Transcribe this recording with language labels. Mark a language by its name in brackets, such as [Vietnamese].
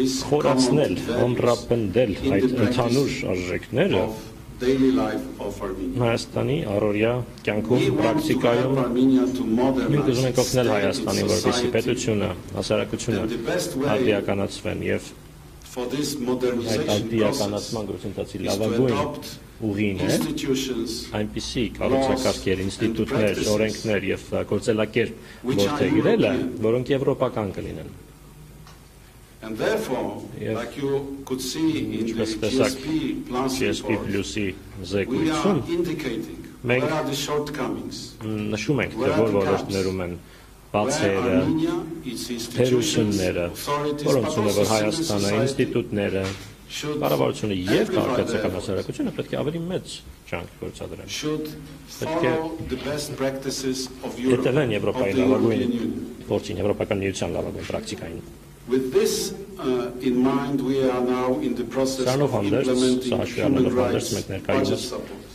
[Armenian] խորացնել, ամրապնդել այդ ընդհանուր արժեքները Հայաստանի առօրյա կյանքում, պրակտիկայում։ Մենք ուզում ենք օգնել Հայաստանին, որպեսզի պետությունը, հասարակությունը արդիականացվեն և այդ արդիականացման գործընթացի լավագույն ուղին է այնպիսի կառուցակարգեր, ինստիտուտներ, օրենքներ և գործելակերպ մորթեգրելը, որոնք եվրոպական կլինեն։ [English] And therefore, like you could see in the GSP plus report, [Armenian] նշում ենք, թե որ ոլորտներում են բացերը, թերությունները, որոնցունը, որ Հայաստանը, ինստիտուտները, կառավարությունը և քաղաքացական հասարակությունը պետք է ավելի մեծ ջանք գործադրեն։ Պետք է հետևեն Եվրոպայի լավագույն փորձին, Եվրոպական Միության լավագույն պրակտիկային։ [English] With this in mind, we are now in the process of implementing human rights budget support.